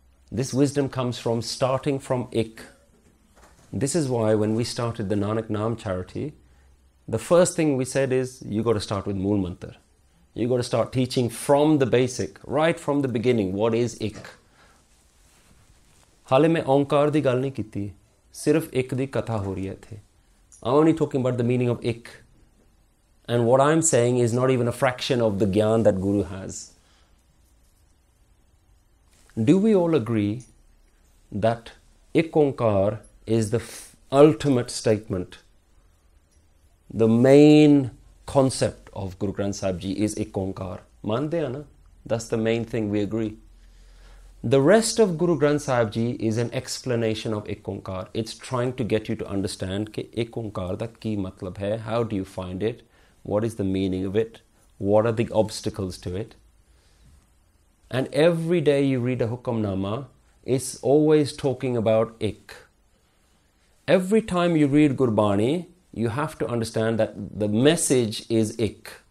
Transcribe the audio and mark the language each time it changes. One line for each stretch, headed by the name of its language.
English: This wisdom comes from starting from ik. This is why when we started the Nanak Naam charity, the first thing we said is, you got to start with Mool Mantar. You got to start teaching from the basic, right from the beginning. What is ik?
Punjabi: ਹਾਲੇ ਮੈਂ ਓਂਕਾਰ ਦੀ ਗੱਲ ਨਹੀਂ ਕੀਤੀ, ਸਿਰਫ ਇਕ ਦੀ ਕਥਾ ਹੋ ਰਹੀ ਹੈ।
English: I'm only talking about the meaning of ik. And what I'm saying is not even a fraction of the gyan that Guru has. Do we all agree that ik onkar is the ultimate statement? The main concept of Guru Granth Sahib Ji is Ek Onkar.
Punjabi: ਮੰਨਦੇ ਹੈ ਨਾ?
English: That's the main thing we agree. The rest of Guru Granth Sahib Ji is an explanation of Ek Onkar. It's trying to get you to understand
Punjabi: ਕੇ ਏਕ ਓਂਕਾਰ ਦਾ ਕੀ ਮਤਲਬ ਹੈ।
English: How do you find it? What is the meaning of it? What are the obstacles to it? And every day you read a Hukam Nama, it's always talking about Ek. Every time you read Gurbani, you have to understand that the message is ik.